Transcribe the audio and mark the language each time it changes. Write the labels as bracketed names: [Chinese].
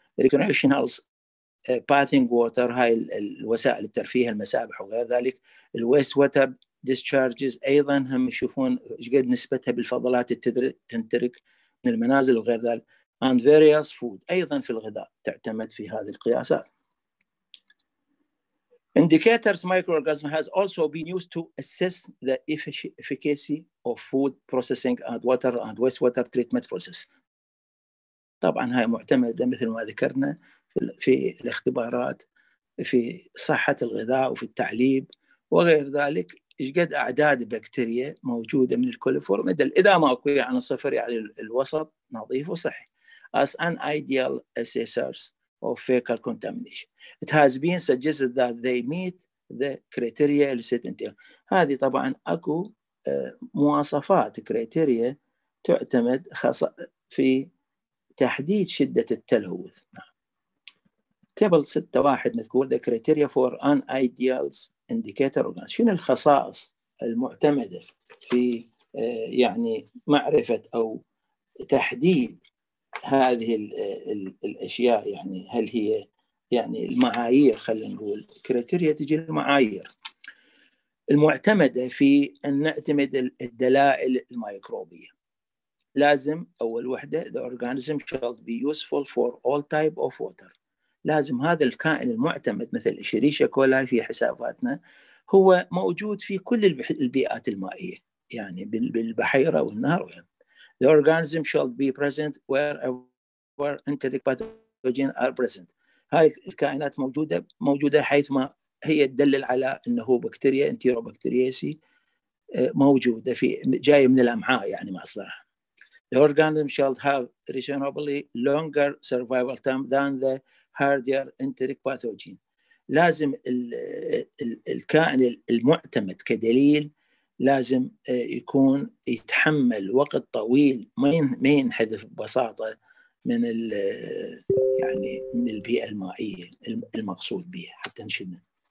[English] Recreation bathing water [Arabic] هاي الوسائل الترفيه المسابح وغير ذلك. الويست ووتر ديسشارجز ايضا هم يشوفون ايش قد نسبتها بالفضلات تنترك من المنازل وغير ذلك. [English] And various food [Arabic] ايضا في الغذاء تعتمد في هذه القياسات. [English] Indicators microorganism has also been used to assess the efficacy of food processing and water and wastewater treatment process. [Arabic] طبعا هاي معتمده مثل ما ذكرنا في الاختبارات في صحة الغذاء وفي التعليب وغير ذلك، إيش قد أعداد بكتيريا موجودة من الكوليفورم. إذا ما أكو يعني صفر يعني الوسط نظيف وصحي. [English] As an ideal assessors of fecal contamination it has been suggested that they meet the criteria listed. [Arabic] هذه طبعا أكو مواصفات كريتيريا تعتمد خاصة في تحديد شدة التلوث. تابل 6.1 مذكور [English] the criteria for an ideal indicator organism. [Arabic] شنو الخصائص المعتمدة في يعني معرفة أو تحديد هذه الأشياء، يعني هل هي يعني المعايير، خلينا نقول كريتيريا تجي المعايير المعتمدة في أن نعتمد الدلائل الميكروبية. لازم أول وحدة [English] the organism shall be useful for all type of water. [Arabic] لازم هذا الكائن المعتمد مثل شريشة كولاي في حساباتنا هو موجود في كل البيئات المائية، يعني بالبحيرة والنهر. [English] The organism shall be present wherever enteric pathogens are present. [Arabic] هاي الكائنات موجودة حيث ما هي تدلل على أنه بكتيريا انتيروبكتيريسي موجودة في جاي من الأمعاء يعني مصدرها. [English] The organism shall have reasonably longer survival time than the hardier enteric pathogen. [Arabic] لازم الكائن المعتمد كدليل لازم يكون يتحمل وقت طويل ما ينحذف ببساطة من يعني من البيئة المائية المقصود بها حتى نشدها.